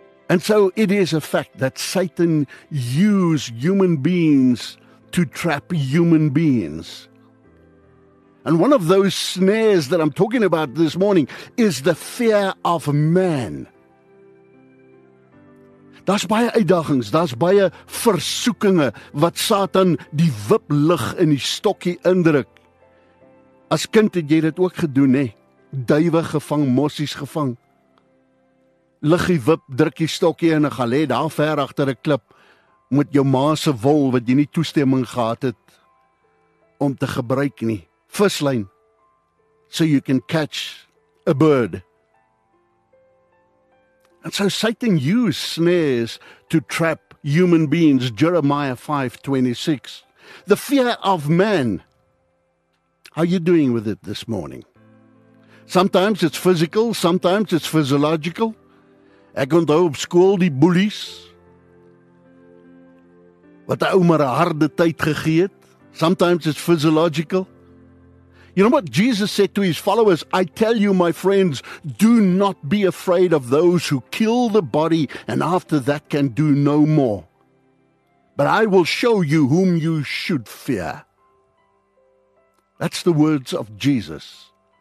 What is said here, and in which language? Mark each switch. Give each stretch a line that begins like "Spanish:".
English: And so it is a fact that Satan used human beings to trap human beings. And one of those snares that I'm talking about this morning is the fear of man.
Afrikaans: Daar's baie uitdagings, daar's baie versoekinge wat Satan die wip lig in die stokkie indruk. As kind het jy dit ook gedoen, hè? Duwe gevang, mossies gevang. Lig die wip, druk die stokkie en gaan lê daar ver agter 'n klip met jou ma se wol wat jy nie toestemming gehad het om te gebruik nie.
English: Vislyn, so you can catch a bird. And so Satan used snares to trap human beings, Jeremiah 5:26. The fear of man. How are you doing with it this morning? Sometimes it's physical, sometimes it's physiological.
Afrikaans: Ek onthou op skool die bullies. Wat die ou maar 'n harde tyd gegee het.
English: Sometimes it's physiological. You know what Jesus said to his followers? "I tell you, my friends, do not be afraid of those who kill the body and after that can do no more. But I will show you whom you should fear." That's the words of Jesus.